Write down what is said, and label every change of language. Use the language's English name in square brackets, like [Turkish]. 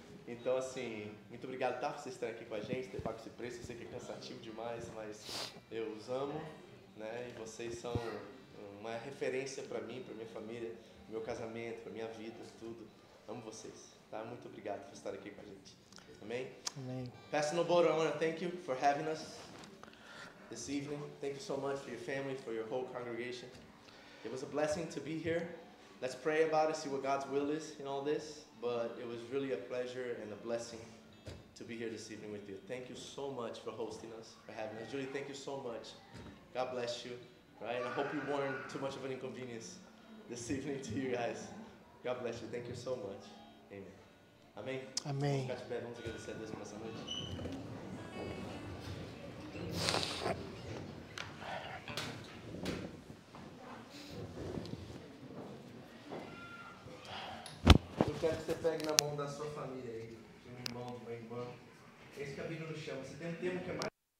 [Portuguese] Então, assim, muito obrigado, tá? Por vocês estarem aqui com a gente, ter pago esse preço, eu sei que é cansativo demais, mas eu os amo, né? E vocês são uma referência para mim, para minha família, pro meu casamento, para minha vida, tudo. Amo vocês, tá? Muito obrigado por estarem aqui com a gente. Amém? Amém. [English] Pastor Noboro, I want to thank you for having us this evening. Thank you so much for your family, for your whole congregation. It was a blessing to be here. Let's pray about it, see what God's will is in all this. But it was really a pleasure and a blessing to be here this evening with you. Thank you so much for hosting us, for having us. Julie, thank you so much. God bless you. Right? I hope you weren't too much of an inconvenience this evening to you guys. God bless you. Thank you so much. Amen. Amém? [Portuguese] Amém. Vamos ficar de pé, vamos agradecer a Deus por essa noite. Eu quero que você pegue na mão da sua família aí, de um irmão, de uma irmã. Esse que a Bíblia nos chama. Você tem um termo que é mais...